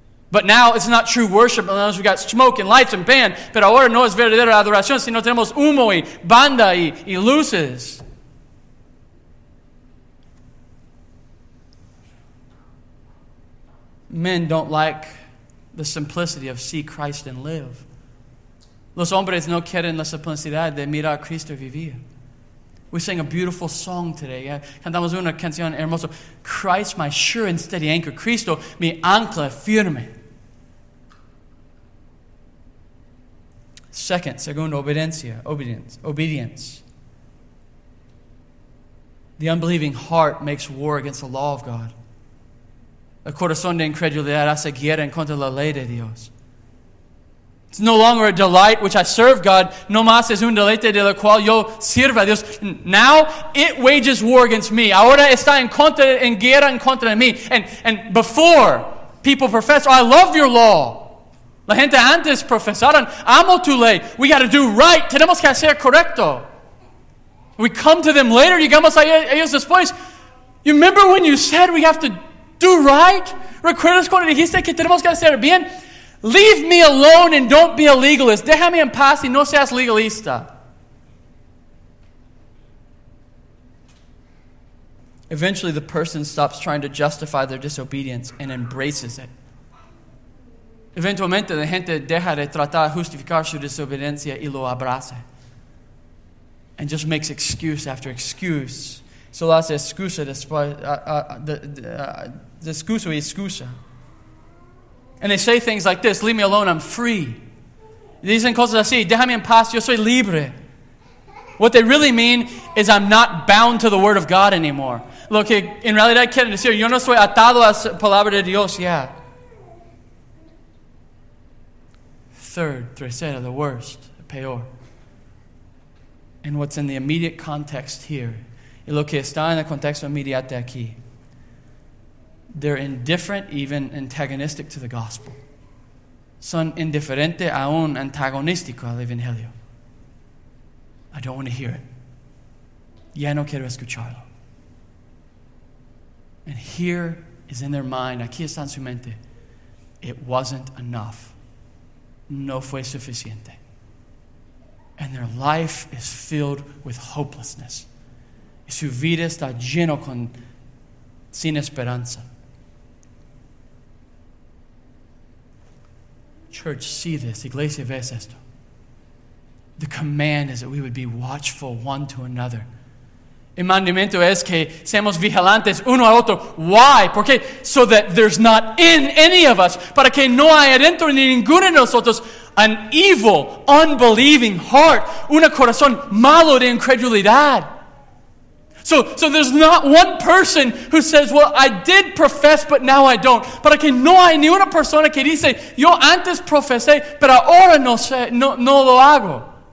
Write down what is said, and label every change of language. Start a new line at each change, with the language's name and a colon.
English: But now it's not true worship unless we got smoke and lights and band.
Spanish: Pero ahora no es verdadera adoración si no tenemos humo y banda y luces.
English: Men don't like the simplicity of see Christ and live.
Spanish: Los hombres no quieren la simplicidad de mirar a Cristo vivir.
English: We sang a beautiful song today.
Spanish: Yeah? Cantamos una canción hermosa.
English: Christ, my sure and steady anchor.
Spanish: Cristo, mi ancla firme.
English: Second,
Spanish: segundo, obediencia,
English: obedience. The unbelieving heart makes war against the law of God.
Spanish: El corazón de incredulidad hace guerra en contra de la ley de Dios.
English: It's no longer a delight which I serve God.
Spanish: No más es un deleite de lo cual yo sirvo a Dios.
English: Now it wages war against me.
Spanish: Ahora está en guerra en contra de mí.
English: And before, people profess, oh, I love your law.
Spanish: La gente antes profesaron, amo tu ley.
English: We got to do right.
Spanish: Tenemos que hacer correcto.
English: We come to them later.
Spanish: Llegamos a ellos después.
English: You remember when you said we have to do right?
Spanish: ¿Recuerdas cuando dijiste que tenemos que hacer bien?
English: Leave me alone and don't be a legalist.
Spanish: Déjame en paz y no seas legalista.
English: Eventually, the person stops trying to justify their disobedience and embraces it.
Spanish: Eventualmente, la gente deja de tratar de justificar su desobediencia y lo abraza.
English: And just makes excuse after excuse.
Spanish: Solo hace excusa después. De excusa y excusa.
English: And they say things like this, leave me alone, I'm free.
Spanish: Dicen cosas así, déjame en paz, yo soy libre.
English: What they really mean is I'm not bound to the word of God anymore.
Spanish: Lo que en realidad quieren decir, yo no soy atado a la palabra de Dios ya.
English: Third,
Spanish: tercera,
English: the worst, the peor. And what's in the immediate context here,
Spanish: y lo que está en el contexto inmediato aquí,
English: they're indifferent, even antagonistic to the gospel.
Spanish: Son indiferente aún antagonístico al evangelio.
English: I don't want to hear it.
Spanish: Ya no quiero escucharlo.
English: And here is in their mind,
Spanish: aquí está en su mente,
English: it wasn't enough.
Spanish: No fue suficiente.
English: And their life is filled with hopelessness.
Spanish: Y su vida está lleno con sin esperanza.
English: Church, see this.
Spanish: Iglesia, ves esto.
English: The command is that we would be watchful one to another.
Spanish: El mandamiento es que seamos vigilantes uno a otro.
English: Why?
Spanish: ¿Por qué?
English: So that there's not in any of us,
Spanish: para que no haya dentro ni ninguno de nosotros,
English: an evil, unbelieving heart,
Spanish: un corazón malo de incredulidad.
English: So there's not one person who says, well, I did profess, but now I don't.
Spanish: Para que no hay ni una persona que dice, yo antes profesé, pero ahora no sé, no lo hago.